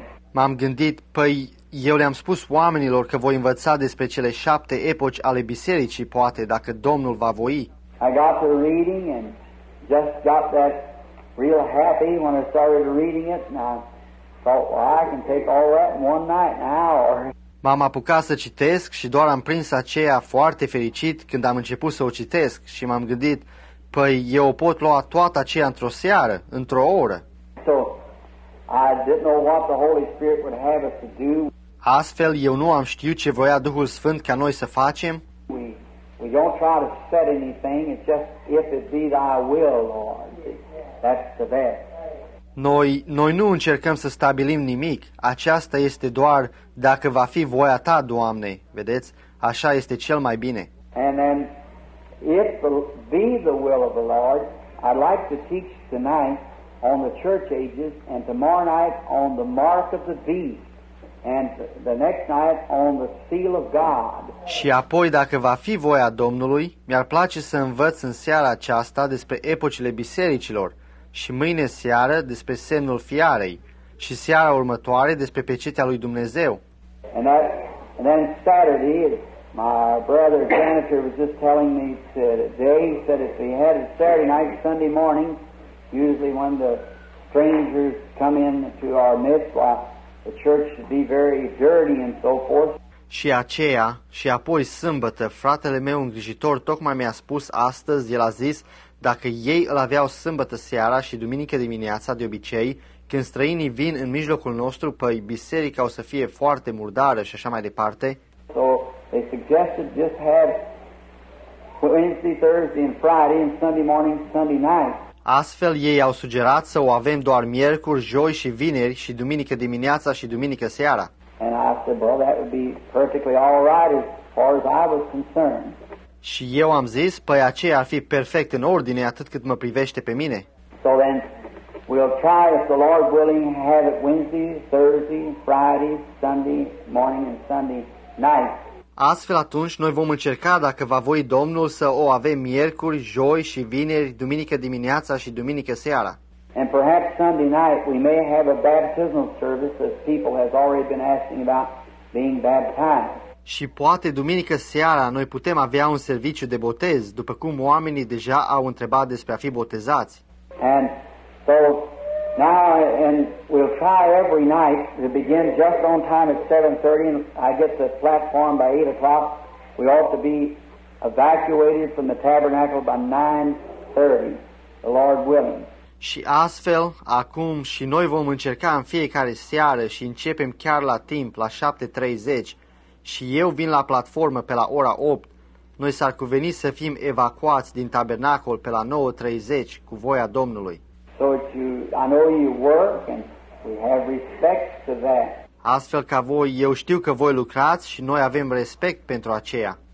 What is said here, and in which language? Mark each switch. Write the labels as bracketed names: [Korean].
[Romanian] M-am gândit, păi eu le-am spus oamenilor că voi învăța despre cele șapte epoci ale bisericii, poate, dacă Domnul va voi. [English] I got to reading and just got that real happy when I started reading it and I can take all that in one night, an hour. [Romanian] M-am apucat să citesc și doar am prins aceea foarte fericit când am început să o citesc și m-am gândit, păi eu o pot lua toată aceea într-o seară, într-o oră. [English] So, I didn't know what the Holy Spirit would have us to do. [Romanian] Astfel, eu nu am știut ce voia Duhul Sfânt ca noi să facem. [English] We don't try to set anything, it's just if it be thy will, Lord, that's the best. [Romanian] Noi nu încercăm să stabilim nimic. Aceasta este doar dacă va fi voia Ta, Doamne. Vedeți? Așa este cel mai bine. [English] And then, if be the will of the Lord, I'd like to teach tonight on the church ages and tomorrow night on the mark of the beast and the next night on the seal of God. [Romanian] Și apoi, dacă va fi voia Domnului, mi-ar place să învăț în seara aceasta despre epocile bisericilor. Și mâine seară despre semnul fiarei și seara următoare despre pecetea lui Dumnezeu. [English] And then Saturday My brother janitor was just telling me today, he said if he had it Saturday night, Sunday morning, usually when the strangers come in to our midst, why, the church should be very dirty and so forth. [Romanian] Și aceea, și apoi sâmbătă, fratele meu îngrijitor tocmai mi-a spus astăzi, el a zis, dacă ei îl aveau sâmbătă seara și duminică dimineața, de obicei, când străinii vin în mijlocul nostru, păi biserica o să fie foarte murdară și așa mai departe. [English] So they suggested just have Wednesday, Thursday and Friday and Sunday morning, Sunday night. [Romanian] Astfel ei au sugerat să o avem doar miercuri, joi și vineri și duminică dimineața și duminică seara. [English] And I said, well, that would be perfectly all right as far as I was concerned. [Romanian] Și eu am zis, păi aceea ar fi perfect în ordine atât cât mă privește pe mine. [English] So then we'll try, if the Lord willing, have it Wednesday, Thursday, Friday, Sunday morning and Sunday night. [Romanian] Astfel atunci noi vom încerca, dacă va voi Domnul, să o avem miercuri, joi și vineri, duminică dimineața și duminică seara. [English] And perhaps Sunday night we may have a baptismal service as people have already been asking about being baptized. [Romanian] Și poate duminică seara noi putem avea un serviciu de botez, după cum oamenii deja au întrebat despre a fi botezați. [English] And so now and we'll try every night to begin just on time at 7:30 and I get the platform by 8 o'clock. We ought to be evacuated from the tabernacle by 9:30, the Lord willing. [Romanian] Și astfel, acum și noi vom încerca în fiecare seară și începem chiar la timp, la 7:30, și eu vin la platformă pe la ora 8. Noi s-ar cuveni să fim evacuați din tabernacol pe la 9:30, cu voia Domnului. [English] So you, I know you work and we have respect to that. [Romanian] Astfel ca voi, eu știu că voi lucrați și noi avem respect pentru aceea.